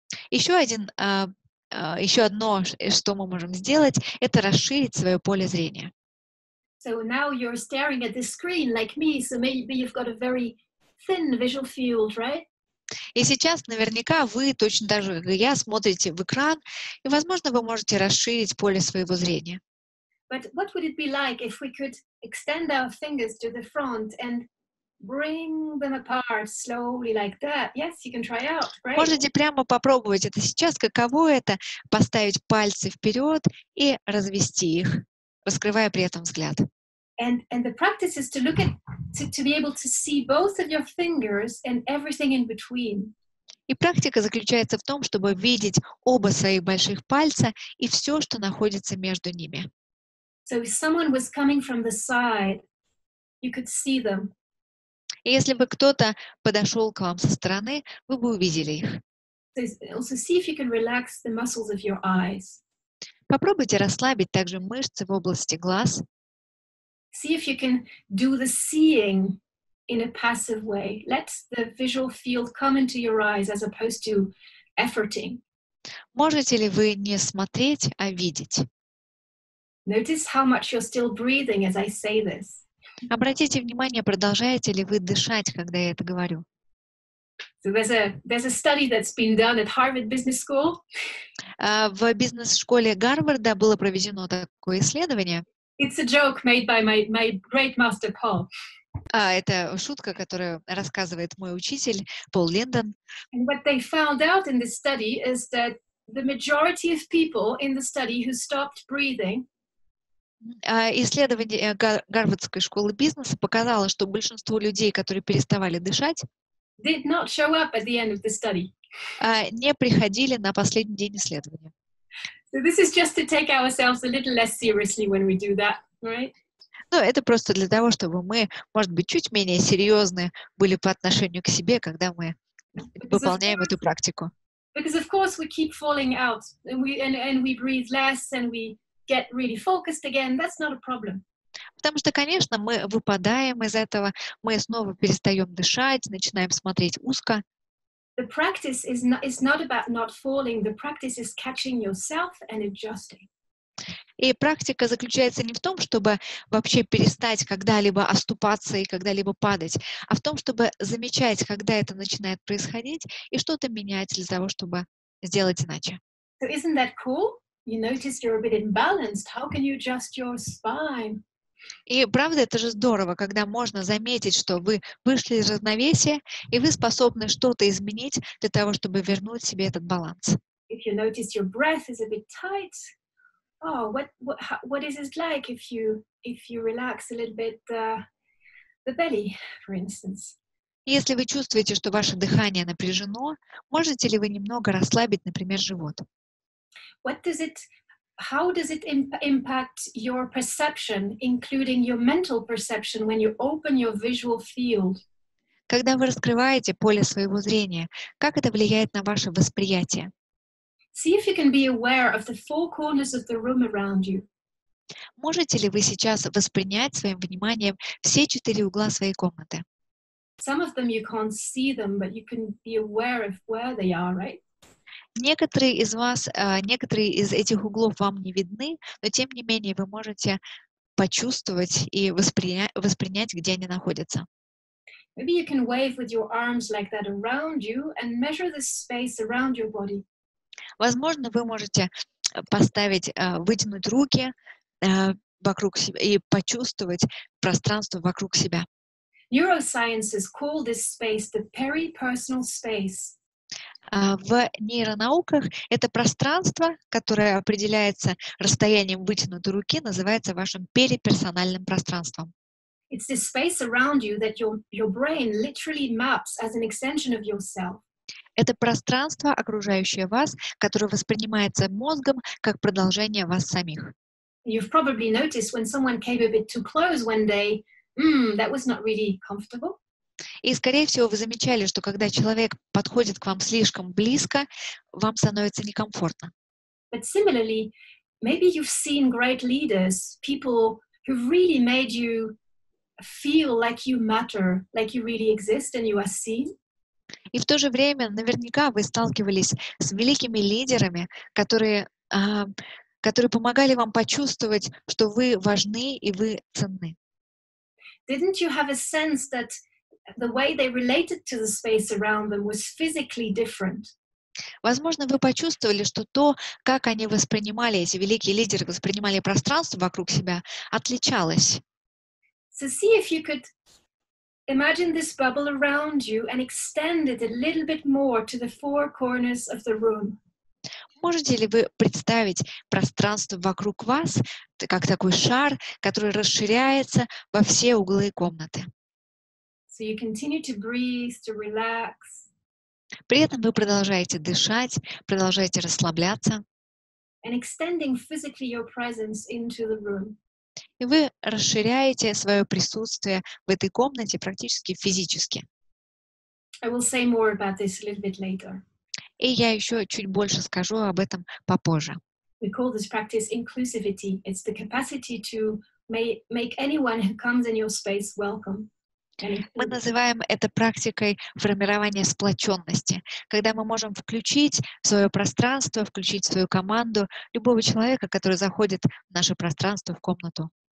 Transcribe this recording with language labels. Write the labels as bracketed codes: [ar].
[ru] Еще одно, что мы можем сделать, это расширить свое поле зрения. [en] So now you're staring at this screen like me, so maybe you've got a very thin visual field, right? [ru] И сейчас наверняка вы точно так же, как и я, смотрите в экран, и, возможно, вы можете расширить поле своего зрения. [en] But what would it be like if we could extend our fingers to the front and bring them apart slowly like that. Yes, you can try out. Great. [ru] Можете прямо попробовать это сейчас. Каково это поставить пальцы вперед и развести их, раскрывая при этом взгляд. [en] And the practice is to look at to be able to see both of your fingers and everything in between. [ru] И практика заключается в том, чтобы видеть оба своих больших пальца и все, что находится между ними. [en] So if someone was coming from the side, you could see them. [ru] И если бы кто-то подошел к вам со стороны, вы бы увидели их. [en] So also see if you can relax the muscles of your eyes. [ru] Попробуйте расслабить также мышцы в области глаз. [en] See if you can do the seeing in a passive way. Let the visual field come into your eyes as opposed to efforting. [ru] Можете ли вы не смотреть, а видеть? [en] Notice how much you're still breathing as I say this. [ru] Обратите внимание, продолжаете ли вы дышать, когда я это говорю. [en] So there's a study that's been done at Harvard Business School. [ru] В бизнес-школе Гарварда было проведено такое исследование. [en] It's a joke made by my great master Paul. [ru] А это шутка, которую рассказывает мой учитель Пол Линдон. [en] And what they found out in this study is that the majority of people in the study who stopped breathing. [ru] Исследование Гарвардской школы бизнеса показало, что большинство людей, которые переставали дышать, [en] did not show up at the end of the study. [ru] Не приходили на последний день исследования. [en] So this is just to take ourselves a little less seriously when we do that, right? [ru] Ну, это просто для того, чтобы мы, может быть, чуть менее серьезны были по отношению к себе, когда мы выполняем эту практику. [en] Because of course we keep falling out, and we breathe less, and we get really focused again. That's not a problem. [ru] Потому что, конечно, мы выпадаем из этого, мы снова перестаем дышать, начинаем смотреть узко. [en] The practice is not about not falling. The practice is catching yourself and adjusting. [ru] И практика заключается не в том, чтобы вообще перестать когда-либо оступаться и когда-либо падать, а в том, чтобы замечать, когда это начинает происходить, и что-то менять для того, чтобы сделать иначе. [en] So isn't that cool? You notice you're a bit imbalanced. How can you adjust your spine? [ru] И правда, это же здорово, когда можно заметить, что вы вышли из равновесия, и вы способны что-то изменить для того, чтобы вернуть себе этот баланс. [en] If you notice your breath is a bit tight, oh, what is it like if you relax a little bit the belly, for instance? [ru] Если вы чувствуете, что ваше дыхание напряжено, можете ли вы немного расслабить, например, живот? [en] How does it impact your perception, including your mental perception, when you open your visual field? [ru] Когда вы раскрываете поле своего зрения, как это влияет на ваше восприятие? [en] See if you can be aware of the four corners of the room around you. [ru] Можете ли вы сейчас воспринять своим вниманием все четыре угла своей комнаты? [en] Some of them you can't see them, but you can be aware of where they are, right? [ru] Некоторые из вас, некоторые из этих углов вам не видны, но тем не менее вы можете почувствовать и воспринять, где они находятся. [en] Maybe you can wave with your arms like that around you and measure the space around your body. [ru] Возможно, вы можете поставить, вытянуть руки вокруг себя и почувствовать пространство вокруг себя. [en] Neurosciences call this space the peripersonal space. [ru] В нейронауках это пространство, которое определяется расстоянием вытянутой руки, называется вашим периперсональным пространством. [en] It's the space around you that your brain literally maps as an extension of yourself. [ru] Это пространство, окружающее вас, которое воспринимается мозгом как продолжение вас самих. [en] You've probably noticed when someone came a bit too close one day, that was not really comfortable. [ru] И, скорее всего, вы замечали, что когда человек подходит к вам слишком близко, вам становится некомфортно. [en] But similarly, maybe you've seen great leaders, people who've really made you feel like you matter, like you really exist and you are seen. [ru] И в то же время, наверняка, вы сталкивались с великими лидерами, которые помогали вам почувствовать, что вы важны и вы ценны. [en] Didn't you have a sense that the way they related to the space around them was physically different? [ru] Возможно, вы почувствовали, что то, как они воспринимали, эти великие лидеры воспринимали пространство вокруг себя, отличалось. [en] So see if you could Imagine this bubble around you and extend it a little bit more to the four corners of the room. [ru] Можете ли вы представить пространство вокруг вас, как такой шар, который расширяется во все углы комнаты? [en] So you continue to breathe, to relax. [ru] При этом вы продолжаете дышать, продолжаете расслабляться. [en] And extending physically your presence into the room. [ru] И вы расширяете свое присутствие в этой комнате практически физически. [en] I will say more about this a little bit later. [ru] И я еще чуть больше скажу об этом попозже. [en] We call this practice inclusivity. It's the capacity to make anyone who comes in your space welcome. [ru] Мы называем это практикой формирования сплоченности, когда мы можем включить в свое пространство, включить в свою команду любого человека, который заходит в наше пространство, в комнату.